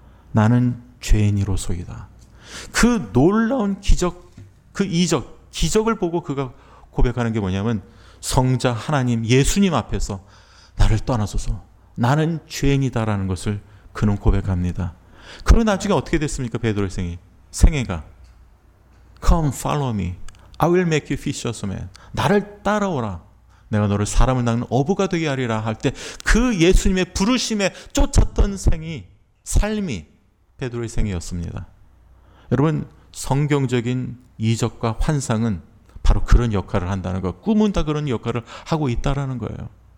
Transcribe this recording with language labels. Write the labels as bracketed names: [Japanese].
[Korean] 나는 죄인이로소이다. 그 놀라운 기적, 그 이적, 기적을 보고 그가 고백하는 게 뭐냐면 성자 하나님 예수님 앞에서 나를 떠나소서, 나는 죄인이다라는 것을 그는 고백합니다. 그러고 나중에 어떻게 됐습니까? 베드로 생애. 생애가. [English] Come follow me. I will make you fishers of men. [Korean] 나를 따라오라. 내가 너를 사람을 낚는 어부가 되게 하리라 할 때 그 예수님의 부르심에 쫓았던 생이, 삶이 베드로의 생이었습니다. 여러분, 성경적인 이적과 환상은 바로 그런 역할을 한다는 것, 꿈은 다 그런 역할을 하고 있다는 거예요.